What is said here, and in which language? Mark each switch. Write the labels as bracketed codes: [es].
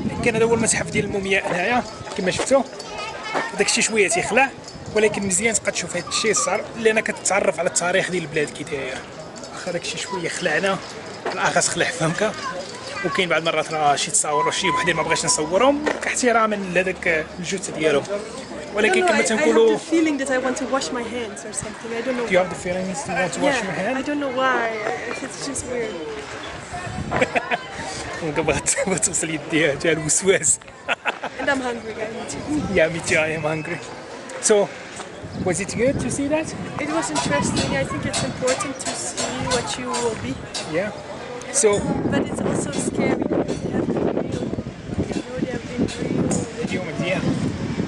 [ar] كان هذا هو المتحف ديال المومياء هنايا كما شفتوا. داك الشيء شويه تيخلع ولكن مزيان تبقى تشوف هذا الشيء صار لأن كتعرف على التاريخ ديال البلاد كي داير. واخا داك الشيء شويه خلعنا الأخص خلع فهمك. وكاين بعض المرات راه شي تصاور وشي وحدين ما بغاش نصورهم كاحتراما لهذاك الجثة ديالهم. ولكن كما تنقولوا [en] I have the feeling that I want to wash my hands or something. I don't know. Do you have the feeling that you want to wash your hands? I don't know why. It's just weird. [ar] من قبل ما توصل يديا جا الوسواس. [en] And I'm hungry, guys. Yeah, me too. I am hungry. So, was it good to see that? It was interesting. I think it's important to see what you will be. Yeah. So. But it's also scary. You have to feel, you know, they are very idioma de Viena.